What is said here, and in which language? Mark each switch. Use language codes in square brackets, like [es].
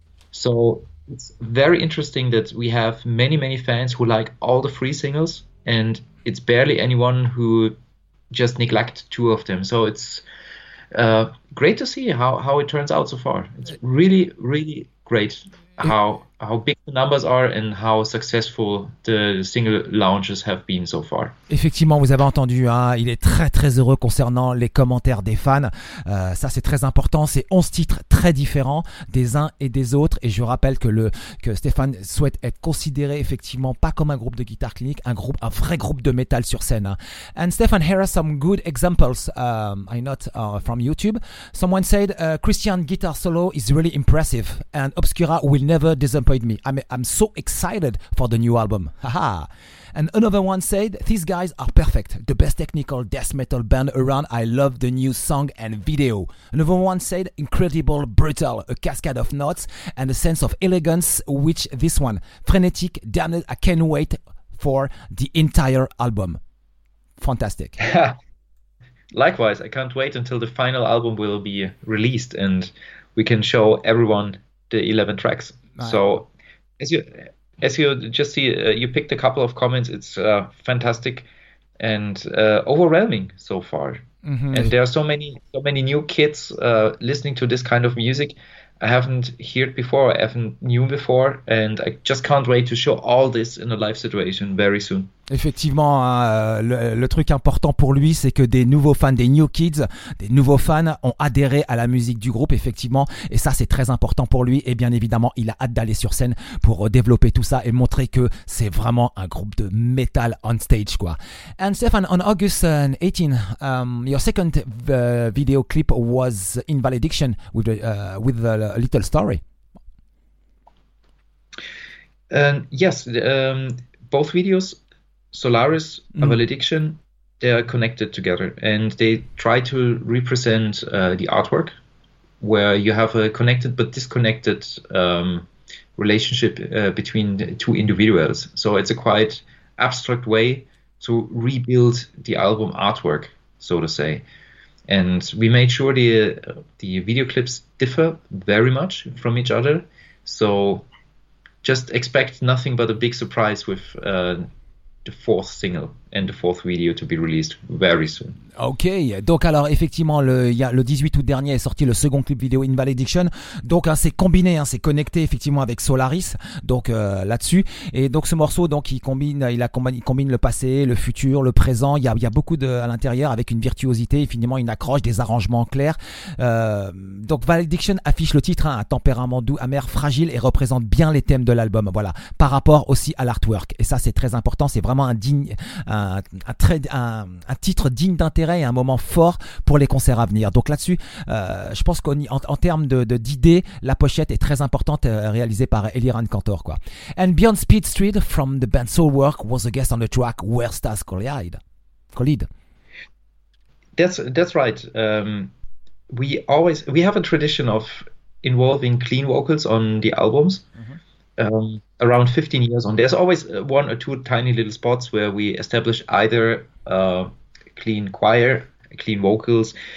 [en] So it's very interesting that we have many, many fans who like all the three singles, and it's barely anyone who just neglect two of them. So it's great to see how it turns out so far. It's really, really great how big the numbers are and how successful the single launches have been so far. [fr] Effectivement, vous avez entendu, hein, il est très très heureux concernant les commentaires des fans. Ça c'est très important, c'est 11 titres très différents des uns et des autres, et je rappelle que Stéphane souhaite être considéré effectivement pas comme un groupe de guitare clinique, un vrai groupe de métal sur scène, hein. [en] And Stéphane, here are some good examples I note from YouTube. Someone said Christian guitar solo is really impressive and Obscura will never disappoint me. I'm so excited for the new album. Haha. And another one said, these guys are perfect. The best technical death metal band around. I love the new song and video. Another one said, incredible, brutal. A cascade of notes and a sense of elegance, which this one, frenetic, damn it, I can't wait for the entire album. Fantastic. Likewise, I can't wait until the final album will be released and we can show everyone the 11 tracks. So, as you just see, you picked a couple of comments. It's fantastic and overwhelming so far. Mm-hmm. And there are so many new kids listening to this kind of music I haven't heard before, I haven't knew before, and I just can't wait to show all this in a live situation very soon. [fr] Effectivement, le truc important pour lui, c'est que des nouveaux fans, des [en] new kids, [fr] des nouveaux fans ont adhéré à la musique du groupe, effectivement. Et ça, c'est très important pour lui. Et bien évidemment, il a hâte d'aller sur scène pour développer tout ça et montrer que c'est vraiment un groupe de metal [en] on stage, [fr] quoi. [en] And Stefan, on August 18, your second video clip was In Valediction with a little story. Yes, both videos, Solaris and Valediction, they are connected together and they try to represent the artwork where you have a connected but disconnected relationship between the two individuals. So it's a quite abstract way to rebuild the album artwork, so to say. And we made sure the video clips differ very much from each other. So just expect nothing but a big surprise with the fourth single and the fourth video to be released very soon. [fr] Ok, donc alors effectivement le 18 août dernier est sorti le second clip vidéo In Valediction, donc hein, c'est combiné, hein, c'est connecté effectivement avec Solaris, donc là-dessus, et donc ce morceau donc il combine le passé, le futur, le présent, il y a beaucoup à l'intérieur avec une virtuosité et finalement une accroche, des arrangements clairs. Donc Valediction affiche le titre, hein, un tempérament doux, amer, fragile, et représente bien les thèmes de l'album, voilà, par rapport aussi à l'artwork, et ça c'est très important, c'est vraiment un titre digne d'intérêt et un moment fort pour les concerts à venir. Donc là-dessus, je pense qu'en termes d'idées, la pochette est très importante, réalisée par Eliran Cantor, quoi. [en] And Beyond Speed Street from the band Soulwork was a guest on the track Where Stars Collide. That's right. We have a tradition of involving clean vocals on the albums. Mm-hmm. Around 15 years on, there's always one or two tiny little spots where we establish either clean choir, clean vocals.